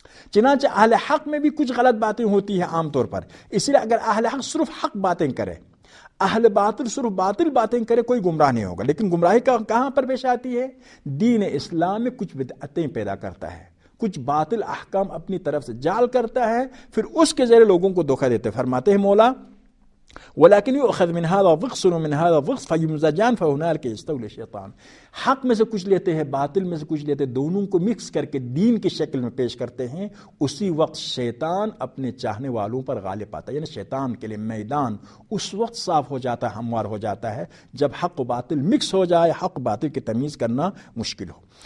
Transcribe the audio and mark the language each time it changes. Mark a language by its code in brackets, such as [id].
[ur] چنانچہ اہل حق میں بھی کچھ غلط باتیں ہوتی ہیں عام طور پر، اسی لیے اگر اہل حق صرف حق باتیں کرے، اہل باطل صرف باطل باتیں کرے، کوئی گمراہ نہیں ہوگا. لیکن گمراہی کہاں پر پیش آتی ہے؟ دین اسلام میں کچھ بدعتیں پیدا کرتا ہے، کچھ باطل احکام اپنی طرف سے جعل کرتا ہے، پھر اس کے ذریعے لوگوں کو دھوکہ دیتے. فرماتے ہیں مولا [ar] ولكن يؤخذ من هذا وقص ومن هذا وقص فيمزجان فهنالك يستولي الشيطان. [ur] حق میں سے کچھ لیتے ہیں، باطل میں سے کچھ لیتے ہیں، دونوں کو مکس کر کے دین کی شکل میں پیش کرتے ہیں، اسی وقت شیطان اپنے چاہنے والوں پر غالب پاتا ہے، یعنی شیطان کے لیے میدان اس وقت صاف ہو جاتا ہے، ہموار ہو جاتا ہے جب حق و باطل مکس ہو جائے، حق باطل کی تمیز کرنا مشکل ہو.